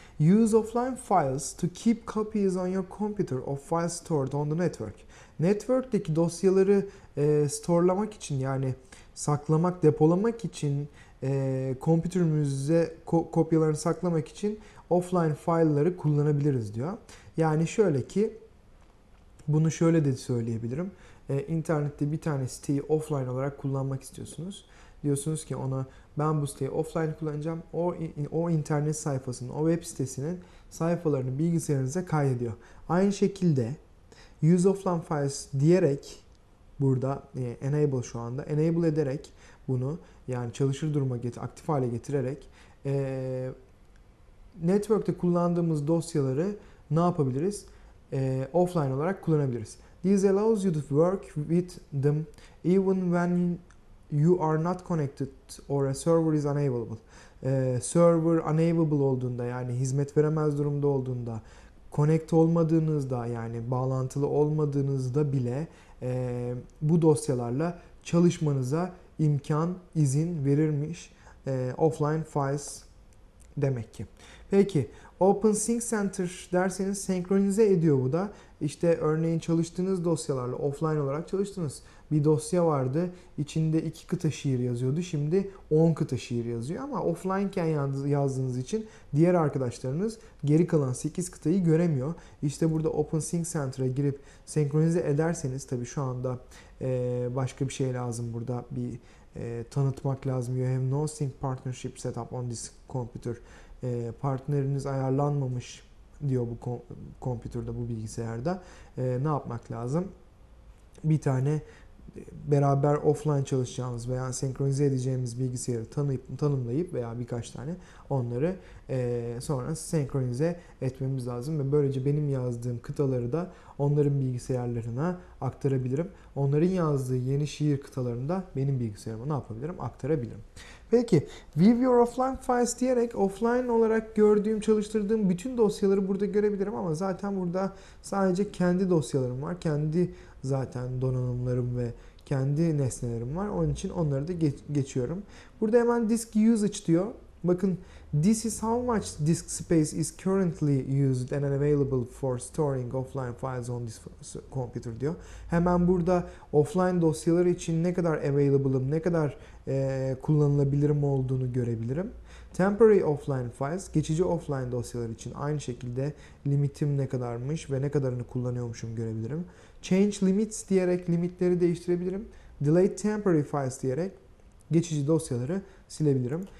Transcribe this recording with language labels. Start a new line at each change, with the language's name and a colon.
English: Use offline files to keep copies on your computer of files stored on the network.
Turkish: Network'teki dosyaları storelamak için yani saklamak, depolamak için kompütürümüze kopyalarını saklamak için offline file'ları kullanabiliriz diyor. Yani şöyle ki bunu şöyle de söyleyebilirim. İnternette bir tane siteyi offline olarak kullanmak istiyorsunuz. Diyorsunuz ki ona ben bu siteyi offline kullanacağım. O internet sayfasının, o web sitesinin sayfalarını bilgisayarınıza kaydediyor. Aynı şekilde use offline files diyerek burada enable şu anda enable ederek bunu yani çalışır duruma aktif hale getirerek network'te kullandığımız dosyaları ne yapabiliriz? Offline olarak kullanabiliriz.
English: This allows you to work with them even when you are not connected or a server is unavailable.
Turkish: Server unavailable olduğunda yani hizmet veremez durumda olduğunda, connect olmadığınızda yani bağlantılı olmadığınızda bile bu dosyalarla çalışmanıza imkan, izin verirmiş offline files demek ki. Peki, Open Sync Center derseniz senkronize ediyor bu da. İşte örneğin çalıştığınız dosyalarla offline olarak çalıştınız. Bir dosya vardı, içinde 2 kıta şiir yazıyordu, şimdi 10 kıta şiir yazıyor. Ama offlineken yazdığınız için diğer arkadaşlarınız geri kalan 8 kıtayı göremiyor. İşte burada Open Sync Center'a girip senkronize ederseniz, tabii şu anda başka bir şey lazım burada, bir tanıtmak lazım.
English: You have no sync partnership set up on this computer.
Turkish: Partneriniz ayarlanmamış diyor bu kompütürde, bu bilgisayarda. Ne yapmak lazım? Bir tane beraber offline çalışacağımız veya senkronize edeceğimiz bilgisayarı tanımlayıp veya birkaç tane onları sonra senkronize etmemiz lazım. Ve böylece benim yazdığım kıtaları da onların bilgisayarlarına aktarabilirim. Onların yazdığı yeni şiir kıtalarını da benim bilgisayarıma ne yapabilirim? Aktarabilirim. Peki, view your offline files diyerek offline olarak gördüğüm, çalıştırdığım bütün dosyaları burada görebilirim ama zaten burada sadece kendi dosyalarım var. Kendi zaten donanımlarım ve kendi nesnelerim var. Onun için onları da geçiyorum. Burada hemen disk usage diyor. Bakın,
English: this is how much disk space is currently used and available for storing offline files on this computer
Turkish: diyor. Hemen burada offline dosyalar için ne kadar available'ım, ne kadar kullanılabilirim olduğunu görebilirim. Temporary offline files, geçici offline dosyalar için aynı şekilde limitim ne kadarmış ve ne kadarını kullanıyormuşum görebilirim. Change limits diyerek limitleri değiştirebilirim. Delayed temporary files diyerek geçici dosyaları silebilirim.